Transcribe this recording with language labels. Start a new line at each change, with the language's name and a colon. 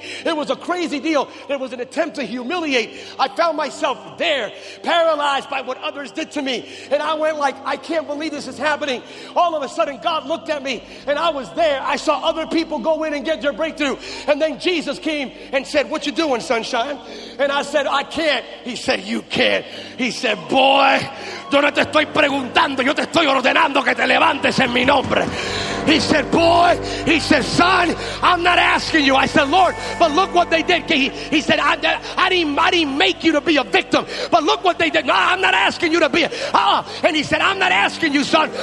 English: It was a crazy deal. It was an attempt to humiliate. I found myself there, paralyzed by what others did to me. And I went like, I can't believe this is happening. All of a sudden, God looked at me and I was there. I saw other people go in and get their breakthrough. And then Jesus came and said, "What you doing, sunshine?" And I said, "I can't." He said, "You can't." He said, "Boy,
Spanish: yo no te estoy preguntando, yo te estoy ordenando que te levantes en mi nombre."
English: He said, "Boy," he said, "son, I'm not asking you." I said, "Lord, but look what they did." He said, I didn't make you to be a victim, but look what they did. "No, I'm not asking you to be a..." And he said, "I'm not asking you, son.